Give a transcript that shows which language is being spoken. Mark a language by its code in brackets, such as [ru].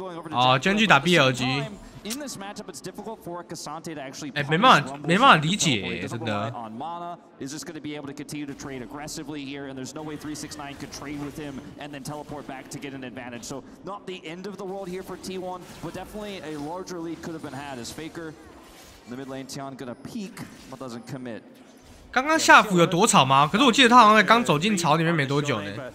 [zh] 哦，捐具打 BLG。哎、欸，没办法理解、欸，真的。 [en] On mana, is this going to be able to continue to trade aggressively here? And there's no way 369 could trade with him and then teleport back to get an advantage. So not the end of the world here for T1, but definitely a larger lead could have been had as Faker. In the mid lane, Tion gonna peek, but doesn't commit. [zh] 刚刚夏府有躲草吗？可是我记得他好像才刚走进草里面没多久呢。